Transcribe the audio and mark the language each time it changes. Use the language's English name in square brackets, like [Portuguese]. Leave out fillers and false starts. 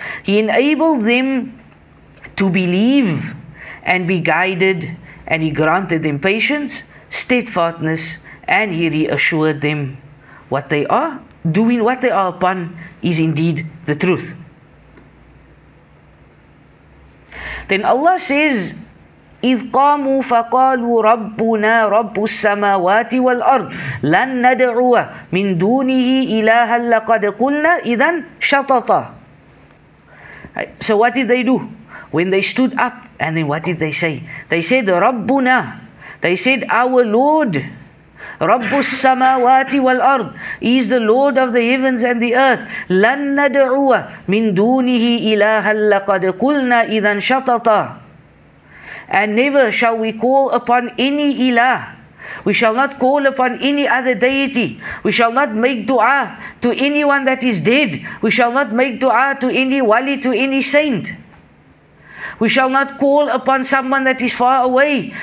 [English] He enabled them to believe and be guided, and he granted them patience, steadfastness, and he reassured them what they are doing, what they are upon, is indeed the truth. Then Allah says [Arabic] إذ قاموا فقالوا ربنا رب السماوات والأرض لن ندعو من دونه إلها لقد قلنا إذا شططا. [English] So what did they do when they stood up? And then what did they say? They said ربنا. They said our Lord. [Arabic] رب السماوات والأرض [English] is the Lord of the heavens and the earth. [Arabic] لن ندعو من دونه إلها لقد قلنا إذا شططا. [English] And never shall we call upon any ilah. We shall not call upon any other deity. We shall not make dua to anyone that is dead. We shall not make dua to any wali, to any saint. We shall not call upon someone that is far away.